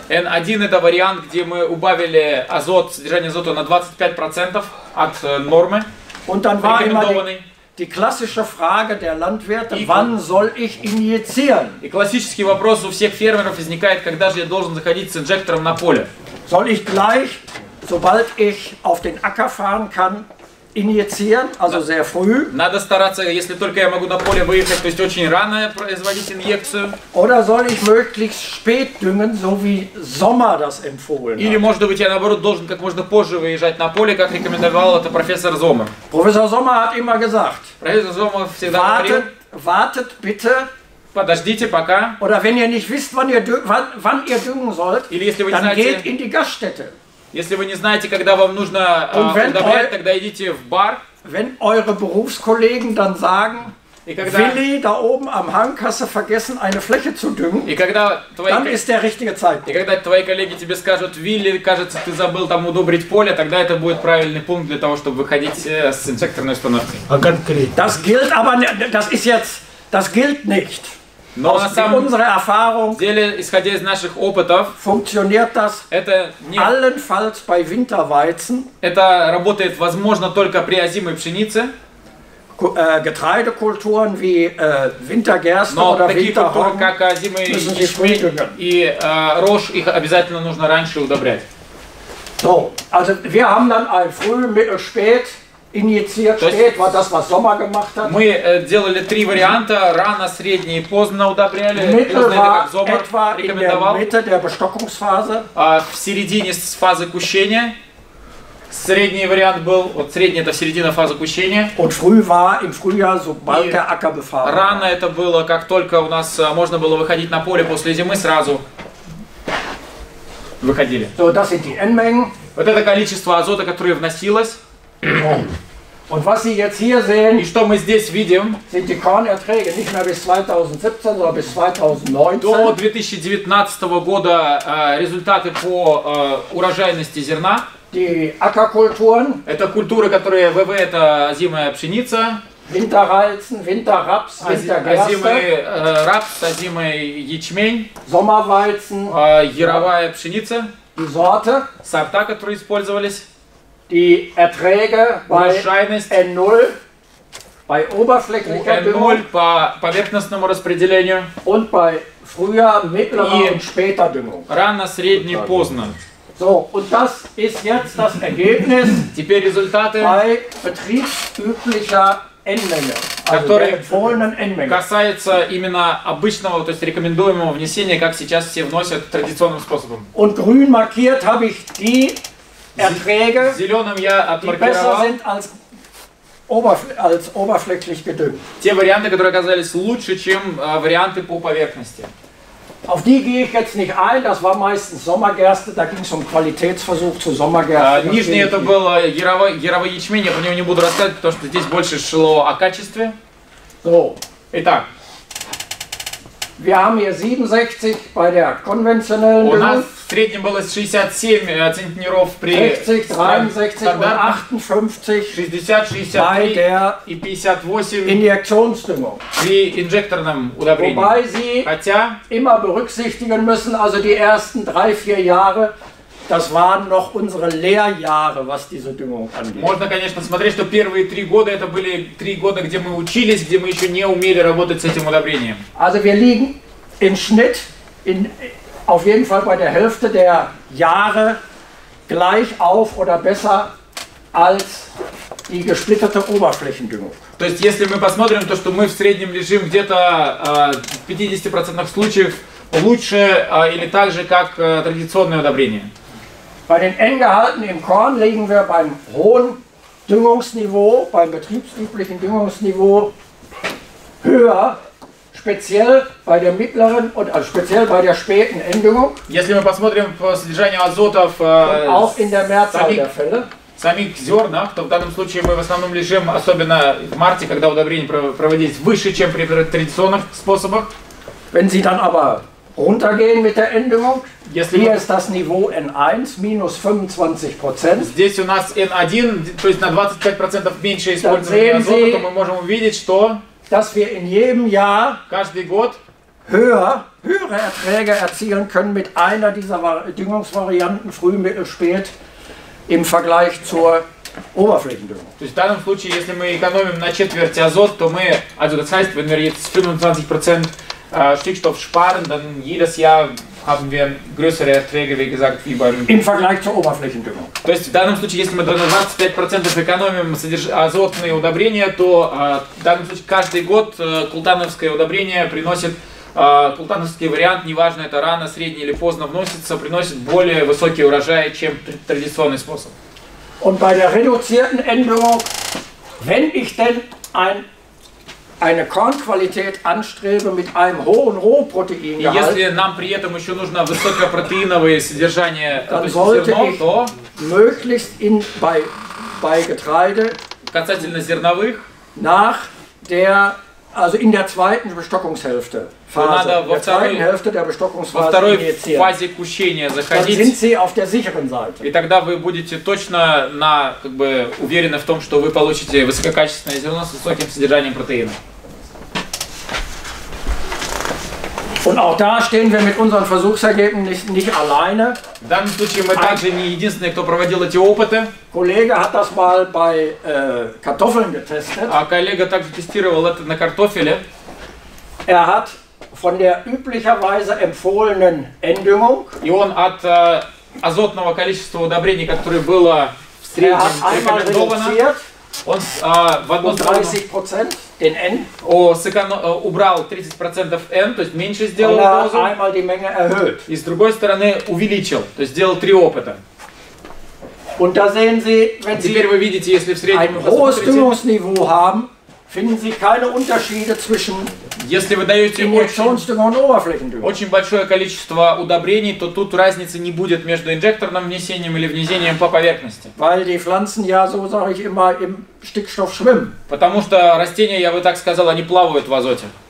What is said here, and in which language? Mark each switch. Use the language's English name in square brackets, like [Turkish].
[Russian] N1 это вариант, где мы убавили азот, содержание азота на 25% от нормы. [German] Und dann war immer die klassische Frage der Landwirte, wann soll ich injizieren? [Russian] И классический вопрос у всех фермеров возникает, когда же я должен заходить с инжектором на поле? [German] Soll ich gleich, sobald ich auf den Acker fahren kann, injizieren, also sehr früh? [Russian] Надо стараться, если только я могу на поле выехать, то есть очень рано производить инъекцию. [German] Oder soll ich möglichst spät düngen, so wie Sommer das empfohlen hat? [Russian] Или, может быть, я наоборот должен как можно позже выезжать на поле, как рекомендовал это профессор Зоммер. [German] Профессор Зоммер hat immer gesagt. [Russian] Профессор Зоммер всегда говорил. [German] Wartet bitte. [Russian] Подождите пока. [German] Oder wenn ihr nicht wisst, wann ihr düngen sollt, [Russian] или, если вы [German] dann [Russian] знаете, [German] geht in die Gaststätte. [Russian] Если вы не знаете, когда вам нужно удобрять, тогда идите в бар. [German] Wenn eure Berufskollegen dann sagen, Willi, da oben am Hang hast du vergessen, eine Fläche zu düngen, dann ist der richtige Zeitpunkt. [Russian] И когда твои коллеги тебе скажут, Willi, кажется, ты забыл там удобрить поле, тогда это будет правильный пункт для того, чтобы выходить с инжекторной установки. А конкретно? [German] Das gilt aber, das ist jetzt, das gilt nicht. [Russian] Но на самом деле, исходя из наших опытов, это работает, возможно, только при озимой пшенице. [German] Getreidekulturen wie Wintergerste [Russian] но [German] oder Winterhorn [Russian] как озимый ячмень и рожь, их обязательно нужно раньше удобрять. [German] So, also wir haben dann ein früh, mittel, spät. Injiziert spät war das, was Sommer gemacht hat. [Russian] Мы делали три варианта: рано, средне и поздно удобряли. [German] Etwa in der Mitte der Bestockungsphase. [Russian] В середине фазы кущения. Средний вариант был, вот средний это середина фазы кущения. [German] Und früh war im Frühjahr, sobald der Acker befahren. [Russian] Рано это было, как только у нас можно было выходить на поле после зимы, сразу выходили. [German] So, das sind die N-Mengen. [Russian] Вот это количество азота, которое вносилось. [German] Und was Sie jetzt hier sehen, [Russian] и что мы здесь видим, [German] sind die Kornerträge nicht mehr bis 2017, sondern bis 2019. [Russian] До 2019 года результаты по урожайности зерна. [German] Die Ackerkulturen. [Russian] Это культуры, которые ВВ, это зимая пшеница. [German] Winterreizen, Winterraps, Wintergerste. [Russian] Озимый рапс, озимый ячмень. [German] Sommerweizen. [Russian] Яровая пшеница. [German] Die Sorte. [Russian] Сорта, которые использовались. [German] Die Erträge bei N0, bei oberflächlicher Düngung, [Russian] по поверхностному распределению, [German] und bei früher, mittlerer und später Düngung. [Russian] Рано, средне, поздно. [German] So, und das ist jetzt das Ergebnis [Russian] теперь результаты [German] bei betriebsüblicher N-Menge, also der empfohlenen N-Menge. [Russian] Касается именно обычного, то есть рекомендуемого внесения, как сейчас все вносят традиционным способом. [German] Und grün markiert habe ich die Erträge, [Russian] зеленым я отмаркировал [German] als oberflächlich gedüngt. [Russian] Те варианты, которые оказались лучше, чем варианты по поверхности. [German] Auf die gehe ich jetzt nicht ein, das war meistens Sommergerste, da ging es um Qualitätsversuch zu Sommergerste. [Russian] Нижний это был яровой ячмень, я про него не буду рассказывать, потому что здесь больше шло о качестве. [German] So. [Russian] Итак. [German] Wir haben hier 67 bei der konventionellen Düngung. [Russian] У нас в среднем было 67 центнеров при [German] 60, 63 und 58 [Russian] 60, 63 и 58 [German] Injektionsdüngung. [Russian] При инжекторном удобрении. [German] Wobei Sie immer berücksichtigen müssen, also die ersten 3-4 Jahre Das waren noch unsere Lehrjahre, was diese Düngung angeht. [Russian] Можно, конечно, смотреть, что первые три года это были три года, где мы учились, где мы еще не умели работать с этим удобрением. [German] Also wir liegen im Schnitt in auf jeden Fall bei der Hälfte der Jahre gleich auf oder besser als die gesplitterte Oberflächendüngung. [Russian] То есть, если мы посмотрим, то что мы в среднем лежим где-то в 50% случаев лучше или так же, как традиционное удобрение. [German] Bei den eng gehaltenen Korn liegen wir beim hohen Düngungsniveau, beim betriebsüblichen Düngungsniveau höher, speziell bei der mittleren und speziell bei der späten Endüngung. [Russian] Если мы посмотрим по содержанию азота в [German] auch in der Mehrzahl der Fälle. [Russian] Самих зернах, то в данном случае мы в основном лежим, особенно в марте, когда удобрение проводить выше, чем при традиционных способах. [German] Wenn Sie dann aber runtergehen mit der Endüngung, hier ist das Niveau N1 minus 25%. [Russian] Здесь у нас N1, то есть на 25% меньше использования азота, то мы можем увидеть, что [German] dass wir in jedem Jahr [Russian] каждый год [German] höhere Erträge erzielen können mit einer dieser Düngungsvarianten, früh, mittel, spät, im Vergleich zur Oberflächendüngung. [Russian] То есть в данном случае, если мы экономим на четверть азот, то мы, [German] also das heißt, wenn wir jetzt 25% Stickstoff sparen, dann jedes Jahr haben wir größere Erträge, wie gesagt, wie beim im Vergleich zur Oberflächendüngung. [Russian] То есть в данном случае, если мы 25% экономим азотные удобрения, то в данном случае каждый год култановское удобрение приносит култановский вариант, неважно это рано, средний или поздно вносится, приносит более высокие урожаи, чем традиционный способ. [German] Und bei der reduzierten Änderung, wenn ich denn eine Kornqualität anstrebe mit einem hohen Rohproteingehalt. [Russian] Если нам при этом еще нужно высокопротеиновое содержание, [German] dann sollte ich möglichst in bei Getreide [Russian] касательно зерновых [German] nach der also in der zweiten Bestockungshälfte [Russian] Phase кущения заходить. [German] Dann sind Sie auf der sicheren Seite. [Russian] И тогда вы будете точно на как бы уверены в том, что вы получите высококачественное зерно с высоким содержанием протеина. [German] Und auch da stehen wir mit unseren Versuchsergebnissen nicht alleine. [Russian] В данном случае мы также не единственные, кто проводил эти опыты. [German] Kollege hat das mal bei Kartoffeln getestet. [Russian] А коллега также тестировал это на картофеле. [German] Er hat von der üblicherweise empfohlenen Endüngung. [Russian] И он от азотного количества удобрений, которое было в среднем рекомендовано. Он в одну сторону убрал 30% N, то есть меньше сделал дозу, и с другой стороны увеличил, то есть сделал три опыта. [German] Und da sehen Sie, wenn [Russian] теперь [German] Sie [Russian] вы видите, если в среднем [German] Düngungsniveau haben, finden Sie keine Unterschiede zwischen [Russian] если вы даете очень большое количество удобрений, то тут разницы не будет между инжекторным внесением или внесением по поверхности. [German] Weil die Pflanzen ja, so sage ich immer, im Stickstoff schwimmen. [Russian] Потому что растения, я бы так сказал, они плавают в азоте.